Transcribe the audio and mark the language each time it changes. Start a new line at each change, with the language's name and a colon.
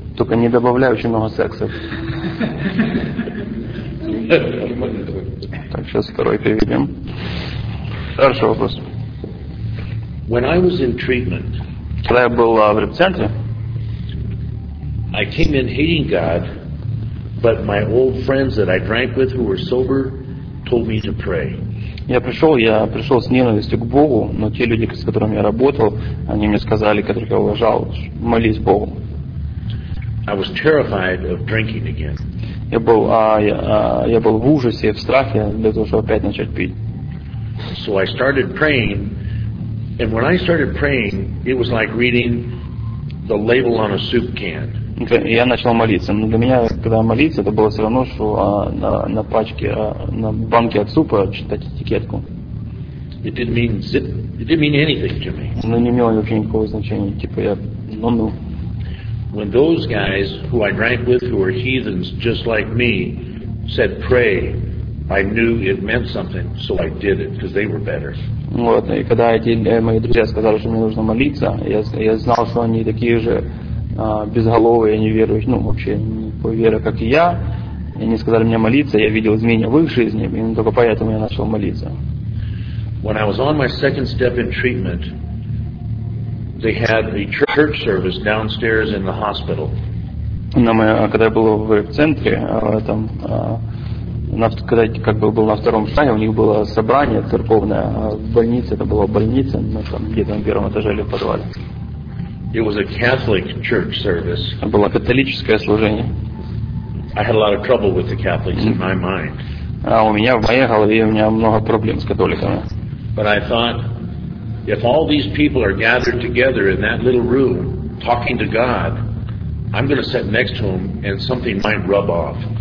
Russian: Только не добавляй очень много секса. Так, сейчас второй переведем. Хорошо, вопрос.
English: When I was in treatment,
Russian: когда я был в реабилитации,
English: I came in hating God, but my old friends that I drank with who were sober told me to pray.
Russian: Я пришел с ненавистью к Богу, но те люди, с которыми я работал, они мне сказали, которых я уважал, молись Богу.
English: I was terrified of drinking again.
Russian: Я был в ужасе, в страхе для того, чтобы опять начать пить.
English: So I started praying, and when I started praying, it was like reading the label on a soup can.
Russian: Я начал молиться. Но для меня, когда молиться, это было все равно, что на пачке, на банке от супа читать этикетку.
English: It didn't mean anything to me.
Russian: Но не имело вообще никакого значения. Типа я,
English: When those guys who I drank with, who were heathens just like me, said pray, I knew it meant something, so I did it because they were better.
Russian: Вот, и когда эти мои друзья сказали, что мне нужно молиться, я знал, что они такие же. Безголовые, неверующие, вообще не по вере, как и я. И они сказали мне молиться, я видел изменения в их жизни, и только поэтому я начал молиться.
English: When I was on my second step in treatment, they had a church service downstairs in the hospital.
Russian: Когда я был в центре, был на втором шаге, у них было собрание церковное в больнице, это была больница, где-то на первом этаже или в подвале.
English: It was a Catholic church service.
Russian: Было католическое служение.
English: I had a lot of trouble with the Catholics in my mind.
Russian: У меня в моей голове у меня много проблем с католиками.
English: But I thought, if all these people are gathered together in that little room talking to God, I'm going to sit next to them and something might rub off.